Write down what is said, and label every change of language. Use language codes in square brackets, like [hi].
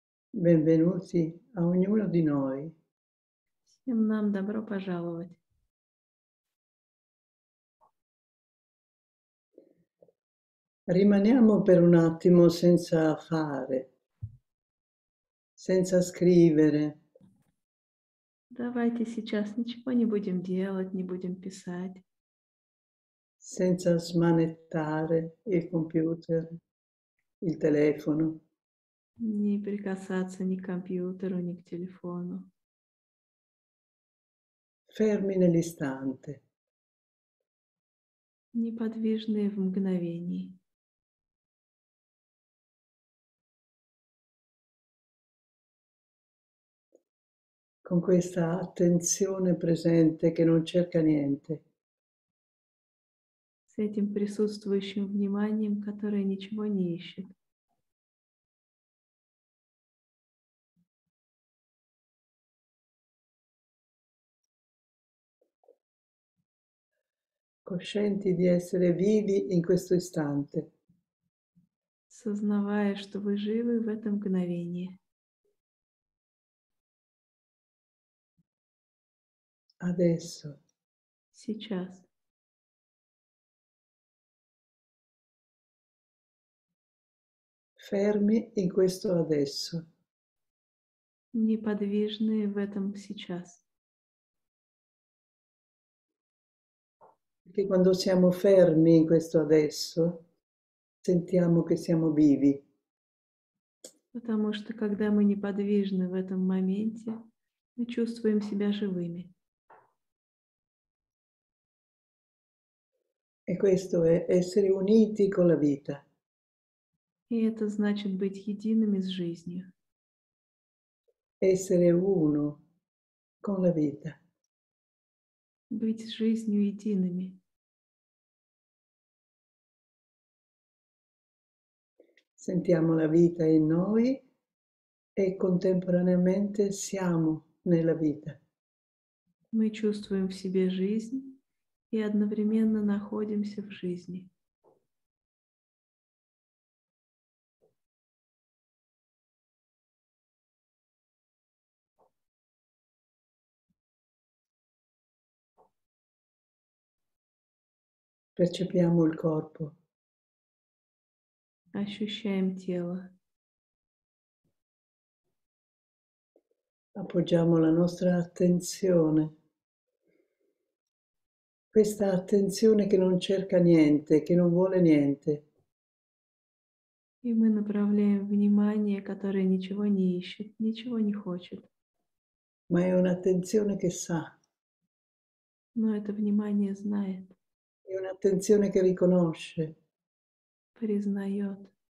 [it] Benvenuti a ognuno di noi. [ru] Всем нам добро пожаловать. [it] Rimaniamo per un attimo senza fare, senza scrivere. [ru] Давайте сейчас ничего не будем делать, не будем писать. [it] Senza smanettare il computer, il telefono. [ru] Не прикасаться ни к компьютеру, ни к телефону. [it] Fermi nell'istante. [ru] Неподвижные в мгновении. [it] Con questa attenzione presente che non cerca niente. [ru] С этим присутствующим вниманием, которое ничего не ищет. [it] Coscienti di essere vivi in questo istante. [ru] Сознавая, что вы живы в это мгновение. [it] Adesso. [ru] Сейчас. [it] Fermi in questo adesso. [ru] Неподвижные в этом сейчас. [it] Perché quando siamo fermi in questo adesso, sentiamo che siamo vivi. [ru] Потому что когда мы неподвижны в этом моменте, мы чувствуем себя живыми. [it] E questo è essere uniti con la vita. [ru] И это значит быть едиными с жизнью. [it] Essere uno con la vita. [ru] Быть с жизнью едиными. [it] Sentiamo la vita in noi e contemporaneamente siamo nella vita. [ru] Мы чувствуем в себе жизнь и одновременно находимся в жизни. [it] Percepiamo il corpo. [ru] Ощущаем тело. [it] Appoggiamo la nostra attenzione, questa attenzione che non cerca niente, che non vuole niente. [ru] И мы направляем внимание, которое ничего не ищет, ничего не хочет. [it] Ma è un'attenzione che sa, [ru] Но это внимание знает, [it] è un'attenzione che riconosce. [ru] признает.